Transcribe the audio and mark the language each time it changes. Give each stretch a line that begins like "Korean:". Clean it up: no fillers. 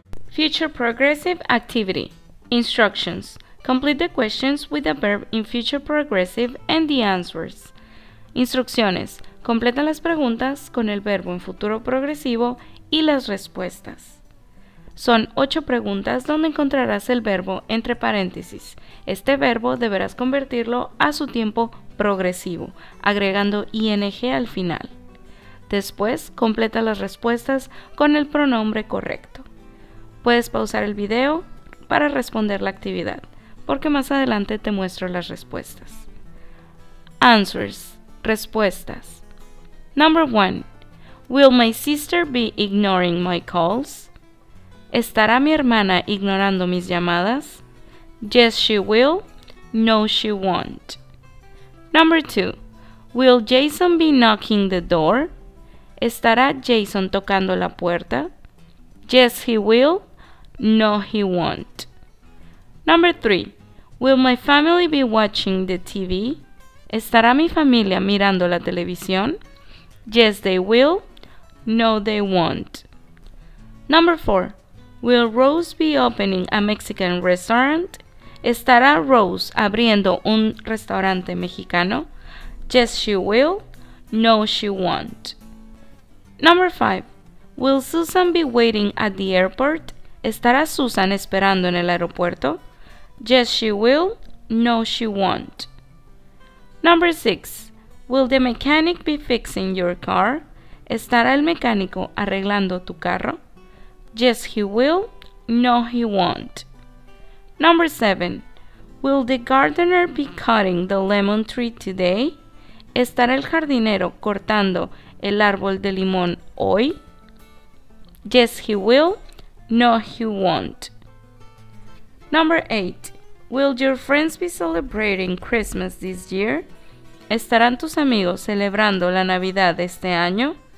English: Future Progressive Activity. Instructions. Complete the questions with the verb in Future Progressive and the answers.
Spanish: Instrucciones. Completa las preguntas con el verbo en futuro progresivo y las respuestas. Son 8 preguntas donde encontrarás el verbo entre paréntesis. Este verbo deberás convertirlo a su tiempo progresivo, agregando ing al final. Después, completa las respuestas con el pronombre correcto. Puedes pausar el video para responder la actividad, porque más adelante te muestro las respuestas.
English: Answers.
Spanish: Respuestas.
English: Number 1. Will my sister be ignoring my calls?
Spanish: ¿Estará mi hermana ignorando mis llamadas?
English: Yes, she will. No, she won't. Number 2. Will Jason be knocking the door?
Spanish: ¿Estará Jason tocando la puerta?
English: Yes, he will. No, he won't. Number 3. Will my family be watching the TV?
Spanish: ¿Estará mi familia mirando la televisión?
English: Yes, they will. No, they won't. Number 4. Will Rose be opening a Mexican restaurant?
Spanish: ¿Estará Rose abriendo un restaurante mexicano?
English: Yes, she will. No, she won't. Number 5. Will Susan be waiting at the airport?
Spanish: ¿Estará Susan esperando en el aeropuerto?
English: Yes, she will. No, she won't. Number 6. Will the mechanic be fixing your car?
Spanish: ¿Estará el mecánico arreglando tu carro?
English: Yes, he will. No, he won't. Number 7. Will the gardener be cutting the lemon tree today?
Spanish: ¿Estará el jardinero cortando el árbol de limón hoy?
English: Yes, he will. No, he won't. Number 8. Will your friends be celebrating Christmas this year?
Spanish: ¿Estarán tus amigos celebrando la Navidad este año?